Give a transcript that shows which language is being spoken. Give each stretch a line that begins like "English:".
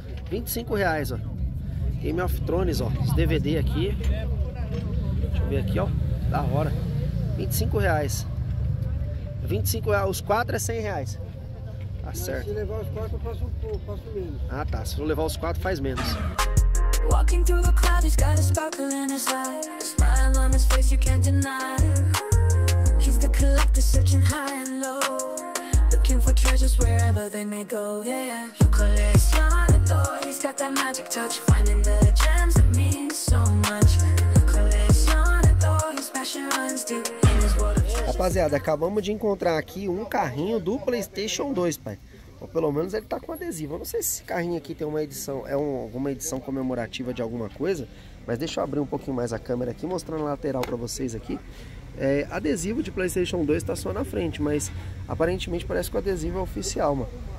Portuguese: 25 reais, ó. Game of Thrones, ó. Os DVD aqui. Deixa eu ver aqui, ó. Da hora. 25 reais. 25 reais. Os 4 é 100 reais. Tá certo. Se levar os 4, eu faço um pouco, faço menos. Ah, tá. Se for levar os 4, faz menos.
English: Walking through the cloud, he's got a sparkle in his eyes. Smile on his face, you can't deny. He's the collector searching high and low, looking for treasures wherever they may go. Yeah, yeah. Your coleccionador, he's got that magic touch, finding the gems that mean so much. Your coleccionador, his passion runs deep.
Portuguese: Rapaziada, acabamos de encontrar aqui um carrinho do PlayStation 2, pai. Ou pelo menos ele tá com adesivo. Eu não sei se esse carrinho aqui tem uma edição, alguma edição comemorativa de alguma coisa. Mas deixa eu abrir um pouquinho mais a câmera aqui, mostrando a lateral pra vocês aqui. É, adesivo de PlayStation 2 tá só na frente, mas aparentemente parece que o adesivo é oficial, mano.